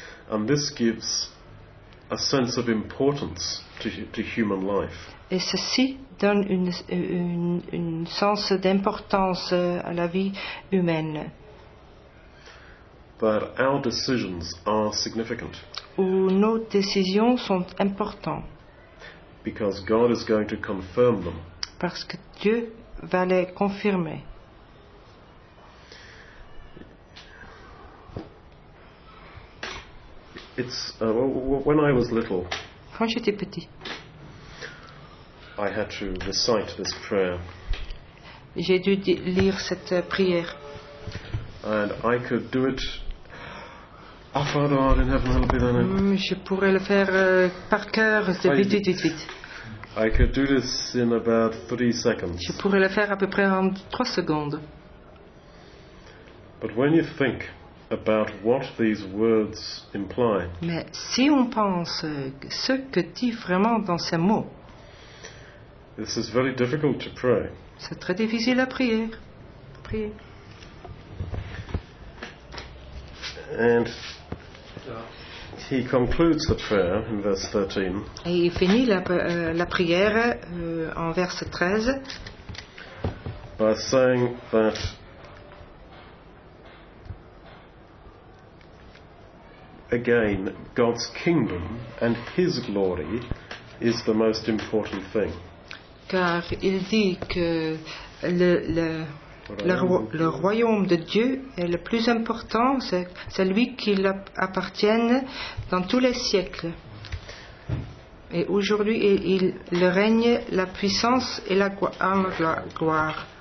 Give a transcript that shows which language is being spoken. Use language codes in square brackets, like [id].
[en] And this gives a sense of importance to human life. [fr] Et ceci donne une sens d'importance à la vie humaine. [en] That our decisions are significant. [fr] Où nos décisions sont importantes. [en] Because God is going to confirm them. [fr] Parce que Dieu va les confirmer. [en] It's when I was little. [fr] Quand j'étais petit. [en] I had to recite this prayer. [fr] J'ai dû lire cette prière. [en] And I could do it. Our Father art in heaven, hallowed be thy name. [fr] Je pourrais le faire par cœur, c'est vite, vite, vite. [en] I could do this in about 3 seconds. [fr] Je pourrais le faire à peu près en 3 secondes. [en] But when you think about what these words imply. [fr] Mais si on pense ce que dit vraiment dans ces mots. [en] This is very difficult to pray. [fr] C'est très difficile à prier. Prier. [en] And he concludes the prayer in verse 13. [fr] Et il finit la prière en verse 13. [en] By saying that again, God's kingdom and his glory is the most important thing. [fr] Car il dit que le royaume de Dieu est le plus important, c'est lui qui appartient dans tous les siècles. Et aujourd'hui, il règne la puissance et la gloire.